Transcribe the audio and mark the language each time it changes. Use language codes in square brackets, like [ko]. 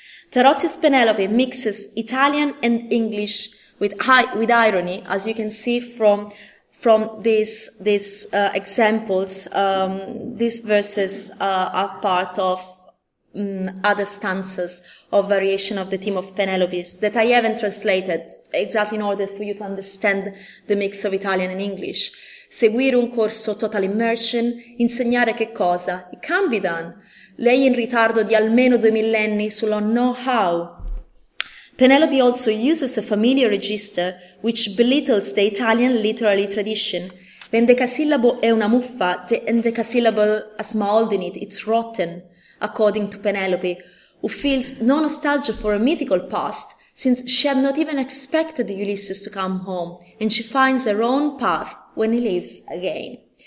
[en] Tarozzi's Penelope mixes Italian and English with irony, as you can see from these examples. These verses are part of other stanzas of variation of the theme of Penelope's that I haven't translated exactly in order for you to understand the mix of Italian and English. [it] Seguire un corso total immersion, insegnare che cosa, [en] it can be done. [it] Lei in ritardo di almeno due millenni sullo know-how. [en] Penelope also uses a familiar register which belittles the Italian literary tradition. [it] L'endecasillabo è una muffa, [en] the endecasillabo has mold in it, it's rotten, according to Penelope, who feels no nostalgia for a mythical past, since she had not even expected Ulysses to come home, and she finds her own path when he leaves again.